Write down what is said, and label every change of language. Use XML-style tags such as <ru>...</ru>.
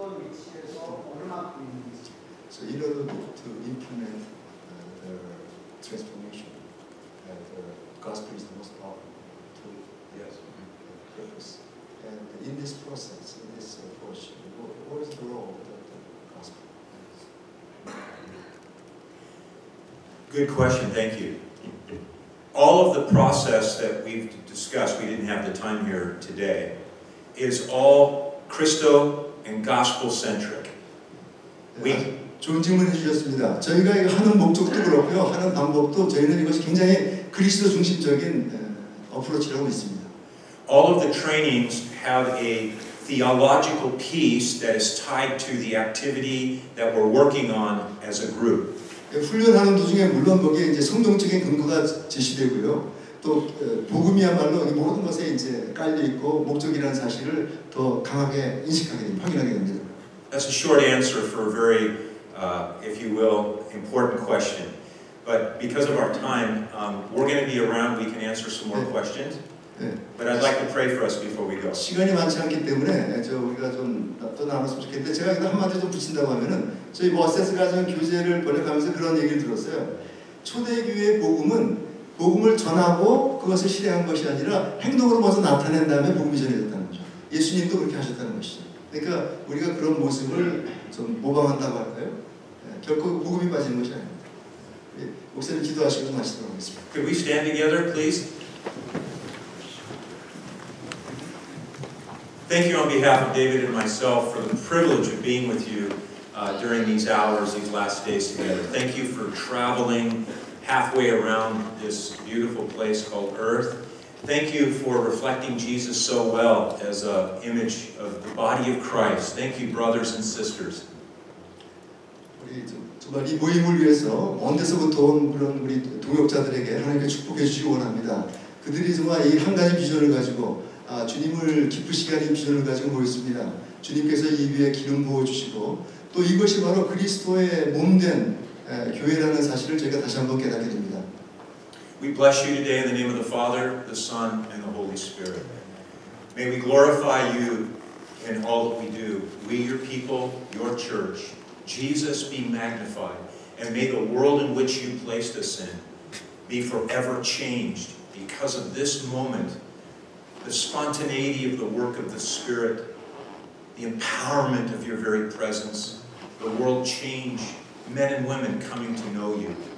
<ko>포션이 어떤 위치에서 얼마큼 있는지.</ko> <en>So in order to implement the transformation, and the gospel is the most powerful tool. Yes. Purpose. And in this process, in this approach, what is the role of the gospel? Good question. Thank you. All of the process that we've discussed, we didn't have the time here today, is all Christo and gospel centric.</en> <ko>네, 좋은 질문해 주셨습니다. 저희가 이거 하는 목적도 그렇고요, 하는 방법도 저희는 이것이 굉장히 그리스도 중심적인 어프로치라고 믿습니다.</ko> <en>All of the trainings have a theological piece that is tied to the activity that we're working on as a group.</en> <ko>훈련하는 도중에 물론 거기에 이제 성경적인 근거가 제시되고요. 또 복음이야말로 이 모든 것에 이제 깔려 있고 목적이라는 사실을 더 강하게 인식하게 됩니다. 확인하게 됩니다.</ko> <en>That's a short answer for a very, if you will, important question. But because of our time, we're going to be around. We can answer some more 네. questions. 네. But I'd like to pray for us before we go.</en> <ko>시간이 많지 않기 때문에 저 우리가 좀 또 나눴으면 좋겠는데 제가 그냥 한마디 좀 붙인다고 하면은 저희 워세스 가정 교제를 벌려가면서 그런 얘기를 들었어요. 초대교회의 복음은 복음을 전하고 그것을 실행한 것이 아니라 행동으로 먼저 나타낸 다음에 복음이 전해졌다는 거죠. 예수님도 그렇게 하셨다는 것이죠. 그러니까 우리가 그런 모습을 좀 모방한다고 할까요? 결코 복음이 빠지는 것이 아닙니다. 목사님 기도하시고 마치도록 하겠습니다.</ko> <en>Could we stand together, please? Thank you on behalf of David and myself for the privilege of being with you during these hours, these last days together. Thank you for traveling halfway around this beautiful place called Earth. Thank you for reflecting Jesus so well as an image of the body of Christ. Thank you, brothers and sisters.</en> <ko>우리 정말 이 모임을 위해서 먼 데서부터 온 그런 우리 동역자들에게 하나님께 축복해 주시기 원합니다. 그들이 정말 이 한 가지 비전을 가지고 주님을 기쁘시게 하는 비전을 가지고 모였습니다. 주님께서 이 위에 기름 부어주시고 또 이것이 바로 그리스도의 몸된 교회라는 사실을 저희가 다시 한번 깨닫게 됩니다.</ko> <en>We bless you today in the name of the Father, the Son, and the Holy Spirit. May we glorify you in all that we do. We, your people, your church, Jesus be magnified, and may the world in which you placed us in be forever changed because of this moment, the spontaneity of the work of the Spirit, the empowerment of your very presence, the world change, men and women coming to know you.</en>